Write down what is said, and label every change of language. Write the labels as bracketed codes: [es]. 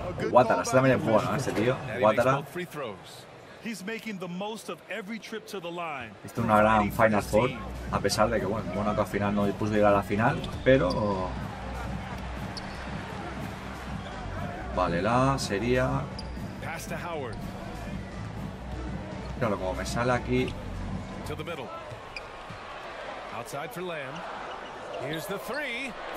[es] Guatara, este también es bueno, ¿eh? Este tío. Guatara. [en] He's making the most of every trip to the line. [es] Es una gran Final Four, a pesar de que bueno, Mónaco al final no dispuso de llegar a la final, pero vale, la sería. [en] Pass to Howard. [es] Claro, como me sale aquí. [en] To the middle. Outside for Lamb. Here's the three.